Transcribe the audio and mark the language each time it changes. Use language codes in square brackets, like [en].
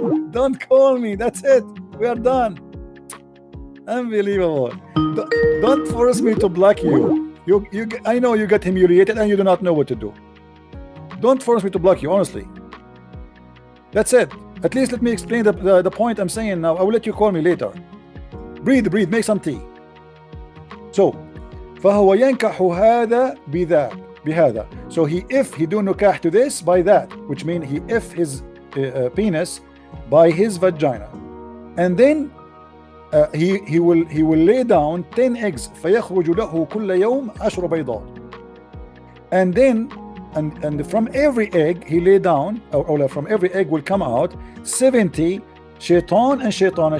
[en] Don't call me. That's it. We are done. Unbelievable. Don't force me to block you. I know you get humiliated and you do not know what to do. Don't force me to block you, honestly. That's it. At least let me explain the point I'm saying now. I will let you call me later. Breathe. Make some tea. So, [ar] فَهُوَ يَنْكَحُ هَذَا بِذَا. [en] So he do nukah to this by that, which means he if his penis by his vagina. And then he will lay down 10 eggs. [ar] فَيَخْرُجُ لَهُ كُلَّ يَوْمٍ عَشْرُ بَيْضَاتٍ. [en] And then, and from every egg he lay down, or from every egg will come out 70 shaitan and shaitana.